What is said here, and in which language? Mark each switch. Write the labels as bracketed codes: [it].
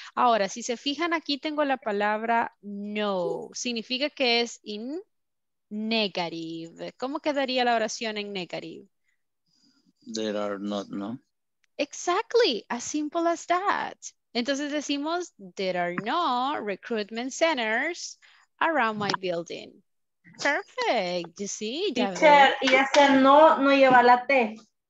[es] Ahora, si se fijan, aquí tengo la palabra no. Significa que es in negative. ¿Cómo quedaría la oración en negative? [en] There are not, no. Exactly, as simple as that. Entonces decimos, there are no recruitment centers around my building. Perfect, you see? [es] Teacher, y ese no, no lleva la T.